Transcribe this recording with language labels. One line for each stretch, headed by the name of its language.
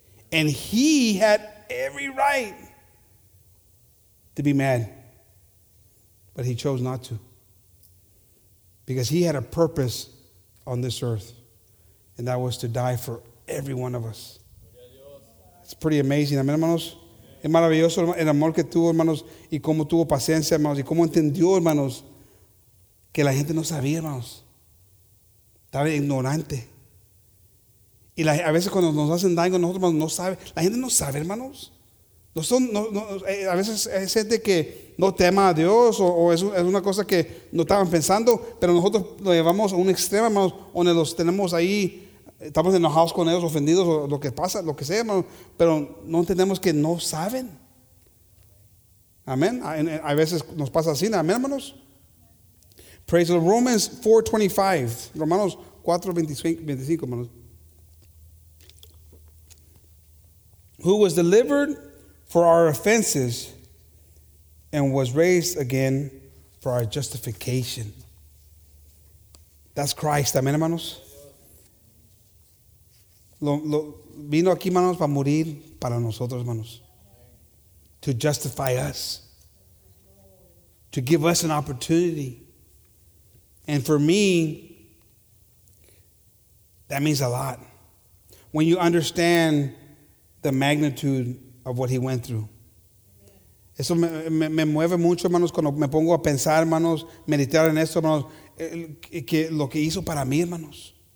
English: And he had every right to be mad, but he chose not to, because he had a purpose on this earth, and that was to die for every one of us. It's pretty amazing, amen, hermanos?
Spanish: Es maravilloso el amor que tuvo, hermanos, y cómo tuvo paciencia, hermanos, y cómo entendió, hermanos, que la gente no sabía, hermanos. Estaba ignorante. Y a veces cuando nos hacen daño, nosotros, hermanos, no sabe. La gente no sabe, hermanos. A veces es gente que no tema a Dios, o es una cosa que no estaban pensando, pero nosotros lo llevamos a un extremo, hermanos, donde los tenemos ahí. Estamos enojados con ellos, ofendidos, o lo que pasa, lo que sea, hermano. Pero no entendemos que no saben. Amén. A veces nos pasa así. Amén, hermanos.
English: Praise the Romans 4:25.
Spanish: Romanos 4:25, hermanos.
English: Who was delivered for our offenses and was raised again for our justification. That's Christ. Amén, hermanos.
Spanish: Lo vino aquí, hermanos, para morir para nosotros, hermanos.
English: To justify us. To give us an opportunity. And for me, that means a lot. When you understand the magnitude of what he went through.
Spanish: Eso me mueve mucho, hermanos, cuando me pongo a pensar, hermanos, meditar en esto, hermanos, que lo que hizo para mí, hermanos.